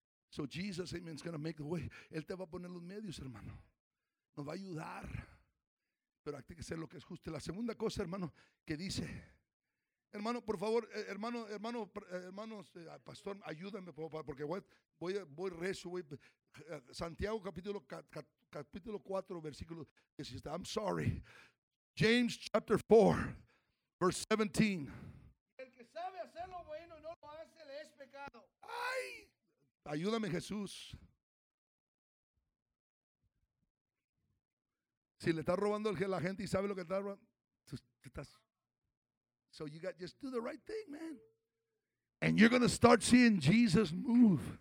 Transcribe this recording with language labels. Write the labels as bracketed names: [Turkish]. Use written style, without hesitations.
[English] So Jesus, amen, is going to make the way. [Spanish] Él te va a poner los medios, hermano. Nos va a ayudar. Pero hay que hacer lo que es justo. La segunda cosa, hermano, que dice... Hermano, por favor, hermano, pastor, ayúdame, porque voy rezo, voy Santiago capítulo 4 versículo 17. [English] I'm sorry. James chapter 4 verse 17. [Spanish] El que sabe hacer lo bueno y no lo hace, le es pecado. Ay, ayúdame, Jesús. Si le estás robando a la gente y sabe lo que está robando, estás. [English] So you got just do the right thing, man. And you're going to start seeing Jesus move.